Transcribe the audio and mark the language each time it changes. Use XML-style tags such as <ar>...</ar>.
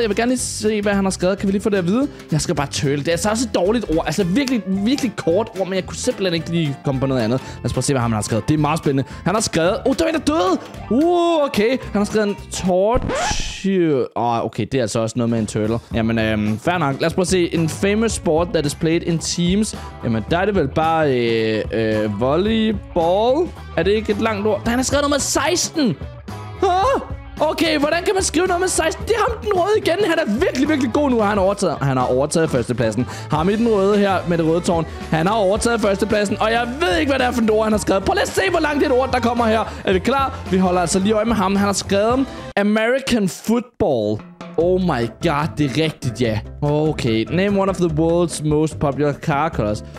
<da>Jeg vil gerne lige se, hvad han har skrevet. Kan vi lige få det at vide? Jeg skal bare tøle. Det er altså også et dårligt ord. Altså, virkelig, virkelig kort ord, men jeg kunne simpelthen ikke lige komme på noget andet. Lad os prøve at se, hvad han har skrevet. Det er meget spændende. Han har skrevet... der er en, der døde! Okay. Han har skrevet en torture... okay. Det er altså også noget med en turtle. Jamen, fair nok. Lad os prøve at se.</da> <en>En famous sport that is played in teams.</en> <da>Jamen, der er det vel bare... volleyball? Er det ikke et langt ord? Der er han skrevet noget med 16! Okay, hvordan kan man skrive noget med 16? Det er ham den røde igen. Han er virkelig, virkelig god nu. Han har overtaget førstepladsen. Ham i den røde her med det røde tårn. Han har overtaget førstepladsen. Og jeg ved ikke, hvad det er for et ord, han har skrevet. Prøv lige at se, hvor langt det er et ord, der kommer her. Er vi klar? Vi holder altså lige øje med ham. Han har skrevet American football.</da> <en>Oh my god,</en> <da>det er rigtigt, ja.</da> <en>Okay, name one of the world's most popular car colors.</en>